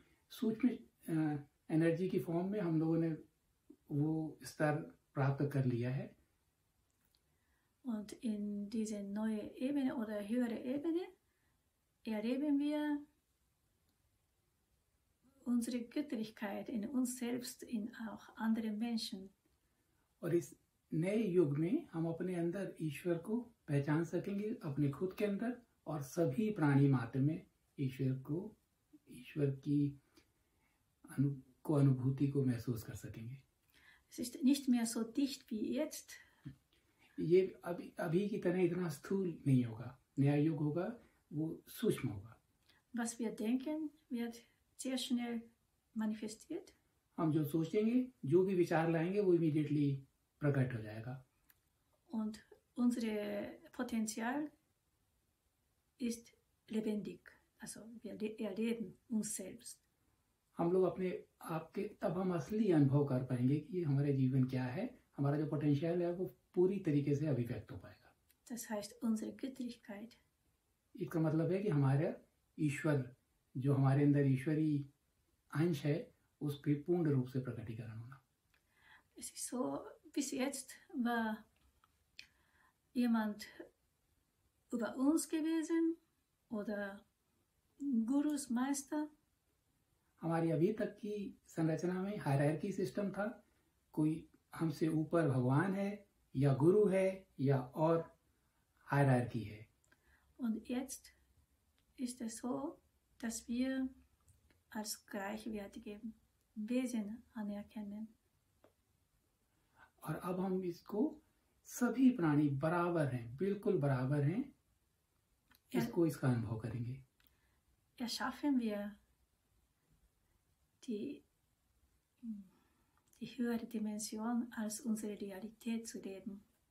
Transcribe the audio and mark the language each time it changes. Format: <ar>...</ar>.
<hi>सूक्ष्म एनर्जी की फॉर्म में हम लोगों ने वो स्तर प्राप्त कर लिया है।</hi> <de>Und in diese neue Ebene oder höhere Ebene erleben wir unsere Göttlichkeit in uns selbst, in auch anderen Menschen.</de> <hi>और इस नए युग में हम अपने अंदर ईश्वर को पहचान सकेंगे, अपने खुद के अंदर और सभी प्राणी मात्र में ईश्वर को, ईश्वर की अनुभूति को महसूस कर सकेंगे।</hi> <de>Es ist nicht mehr so dicht wie jetzt.</de> <hi>ये अभी की तरह इतना स्थूल नहीं होगा, नया युग होगा वो सूक्ष्म होगा।</hi> <de>Was wir denken, wird sehr schnell manifestiert.</de> <hi>हम जो सोचेंगे, जो भी विचार लाएंगे वो इमीडिएटली प्रकट हो जाएगा।</hi> <de>Und unsere Potenzial ist lebendig. Also wir erleben uns selbst.</de> <hi>हम लोग अपने आप के, तब हम असली अनुभव कर पाएंगे कि हमारे जीवन क्या है, हमारा जो पोटेंशियल है वो पूरी तरीके से अभिव्यक्त हो पाएगा।</hi> <de>Das heißt unsere Göttlichkeit.</de> <hi>इसका मतलब है कि हमारे ईश्वर, जो हमारे अंदर ईश्वरी अंश है, उसके पूर्ण रूप से प्रकटीकरण होना।</hi> <de>Es ist so, bis jetzt war jemand über uns gewesen oder Gurus, Meister.</de> <hi>हमारी अभी तक की संरचना में हायरार्की सिस्टम था, कोई हमसे ऊपर भगवान है या गुरु है या और हायरार्की है।</hi> <de>Und jetzt ist es so, dass wir als gleichwertige Wesen anerkennen.</de> <hi>और अब हम इसको, सभी प्राणी बराबर हैं, बिल्कुल बराबर हैं, इसको इसका अनुभव करेंगे।</hi> <de>Erschaffen wir die höhere Dimension als unsere Realität zu leben.</de>